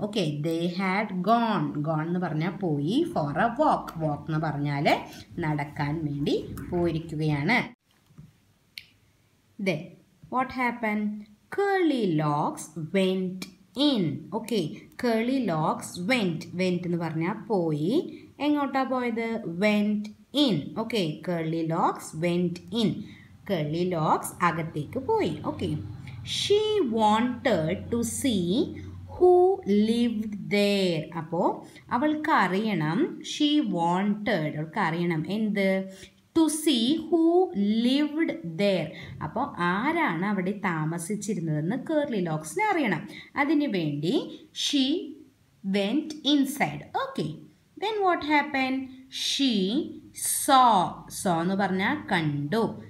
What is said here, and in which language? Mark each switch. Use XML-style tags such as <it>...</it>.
<ml>Okay,</ml> <en>they had gone</en> <ml>എന്ന് പറഞ്ഞാൽ പോയി,</ml> <en>for a walk, walk</en> <ml>എന്ന് പറഞ്ഞാൽ നടക്കാൻ വേണ്ടി പോയിരിക്കുകയാണ്.</ml> <en>Then what happen? Curly locks went in. Okay, curly locks went. Went</en> <ml>എന്ന് പറഞ്ഞാൽ പോയി. എങ്ങോട്ടാ പോയത്?</ml> <en>Went in. Okay, curly locks went in.</en> <ml>Curly locks അകത്തേക്ക് പോയി.</ml> <en>Okay, she wanted to see who lived there.</en> <ml>അപ്പോൾ അവൾക്ക് അറിയണം.</ml> <en>She wanted,</en> <ml>അവൾക്ക് അറിയണം എന്ത്?</ml> <en>To see who lived there.</en> <ml>അപ്പോൾ ആരാണ് അവിടെ താമസിച്ചിരുന്നതെന്ന് കേർലി ലോക്സിന് അറിയണം. അതിനു വേണ്ടി</ml> <en>She went inside. Okay, then what happen? She saw, saw</en> <ml>എന്ന് പറഞ്ഞാൽ കണ്ടു.</ml>